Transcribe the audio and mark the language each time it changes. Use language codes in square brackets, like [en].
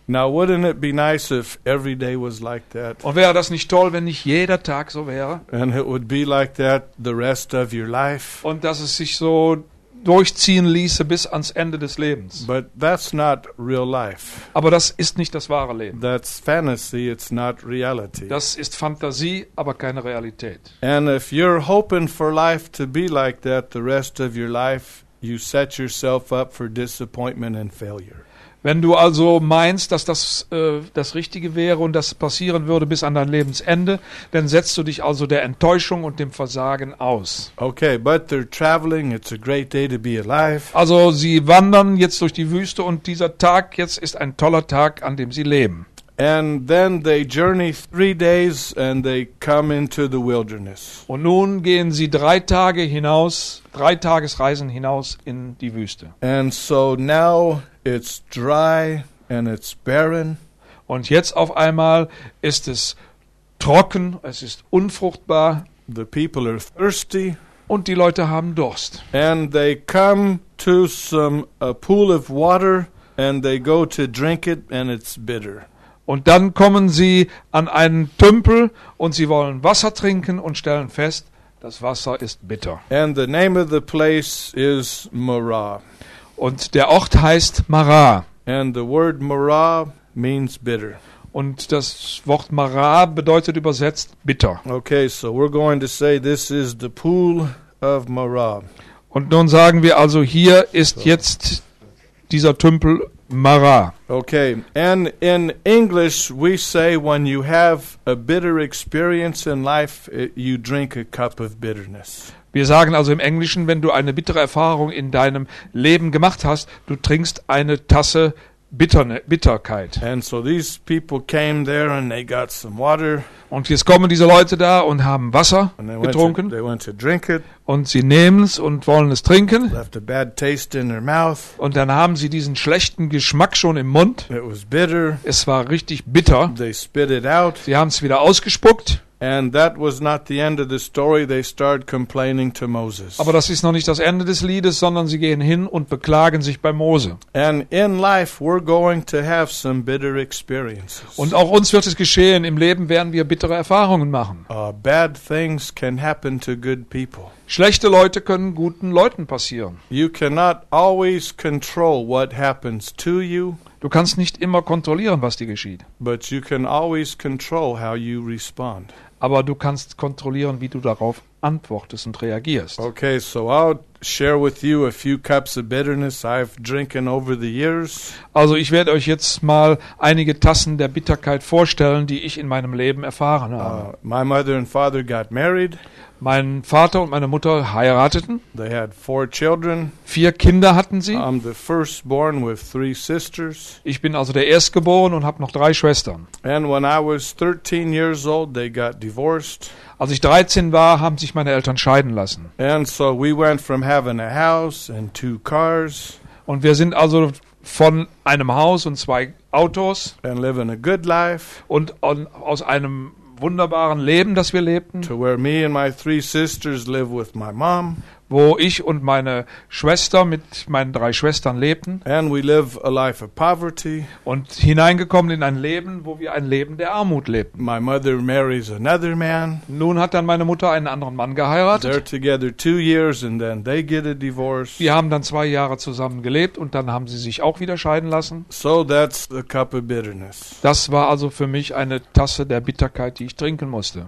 [en] Now wouldn't it be nice if every day was like that? [de] Und wäre das nicht toll, wenn nicht jeder Tag so wäre? [en] And it would be like that the rest of your life. [de] Und dass es sich so durchziehen ließe bis ans Ende des Lebens. [en] But that's not real life. [de] Aber das ist nicht das wahre Leben. [en] That's fantasy, it's not reality. [de] Das ist Fantasie, aber keine Realität. [en] And if you're hoping for life to be like that the rest of your life, you set yourself up for disappointment and failure. [de] Wenn du also meinst, dass das das Richtige wäre und das passieren würde bis an dein Lebensende, dann setzt du dich also der Enttäuschung und dem Versagen aus. [en] Okay, but they're traveling. It's a great day to be alive. [de] Also sie wandern jetzt durch die Wüste und dieser Tag jetzt ist ein toller Tag, an dem sie leben. [en] And then they journey 3 days and they come into the wilderness. [de] Und nun gehen sie 3 Tage hinaus, 3 Tagesreisen hinaus in die Wüste. [en] And so now it's dry and it's barren. [de] Und jetzt auf einmal ist es trocken, es ist unfruchtbar. [en] The people are thirsty. [de] Und die Leute haben Durst. [en] And they come to a pool of water and they go to drink it and it's bitter. [de] Und dann kommen sie an einen Tümpel und sie wollen Wasser trinken und stellen fest, das Wasser ist bitter. [en] And the name of the place is Marah. [de] Und der Ort heißt Marah. [en] And the word Marah means bitter. [de] Und das Wort Marah bedeutet übersetzt bitter. [en] Okay, so we're going to say this is the pool of Marah. [de] Und nun sagen wir also, hier ist jetzt dieser Tümpel Marah. [en] Okay, and in English we say when you have a bitter experience in life, you drink a cup of bitterness. [de] Wir sagen also im Englischen, wenn du eine bittere Erfahrung in deinem Leben gemacht hast, du trinkst eine Tasse Bitterkeit. [en] And so these people came there and they got some water. [de] Und jetzt kommen diese Leute da und haben Wasser getrunken. [en] They went to drink it. [de] Und sie nehmen es und wollen es trinken. [en] Left a bad taste in their mouth. [de] Und dann haben sie diesen schlechten Geschmack schon im Mund. [en] It was bitter. [de] Es war richtig bitter. [en] They spit it out. [de] Sie haben es wieder ausgespuckt. [en] And that was not the end of the story. They start complaining to Moses. [de] Aber das ist noch nicht das Ende des Liedes, sondern sie gehen hin und beklagen sich bei Mose. [en] And in life we're going to have some bitter experiences. [de] Und auch uns wird es geschehen. Im Leben werden wir bittere Erfahrungen machen. [en] Bad things can happen to good people. [de] Schlechte Leute können guten Leuten passieren. [en] You cannot always control what happens to you. [de] Du kannst nicht immer kontrollieren, was dir geschieht. [en] But you can always control how you respond. [de] Aber du kannst kontrollieren, wie du darauf antwortest und reagierst. [en] Okay, so I'll share with you a few cups of bitterness I've drinking over the years. [de] Also ich werde euch jetzt mal einige Tassen der Bitterkeit vorstellen, die ich in meinem Leben erfahren habe. [en] My mother and father got married. [de] Mein Vater und meine Mutter heirateten. [en] They had 4 children. [de] 4 Kinder hatten sie. [en] I'm the first born with 3 sisters. [de] Ich bin also der Erstgeborene und habe noch 3 Schwestern. [en] And when I was 13 years old, they got divorced. [de] Als ich 13 war, haben sich meine Eltern scheiden lassen. [en] And so we went from having a house and 2 cars. [de] Und wir sind also von einem Haus und 2 Autos. [en] And living a good life. [de] Und aus einem wunderbaren Leben, das wir lebten. [en] To where me and my 3 sisters live with my mom. [de] Wo ich und meine Schwester mit meinen 3 Schwestern lebten. [en] And we live a life of poverty. [de] Und hineingekommen in ein Leben, wo wir ein Leben der Armut lebten. [en] My mother marries another man. [de] Nun hat dann meine Mutter einen anderen Mann geheiratet. [en] They're together 2 years and then they get a divorce. [de] Wir haben dann 2 Jahre zusammen gelebt und dann haben sie sich auch wieder scheiden lassen. [en] So that's a cup of bitterness. [de] Das war also für mich eine Tasse der Bitterkeit, die ich trinken musste.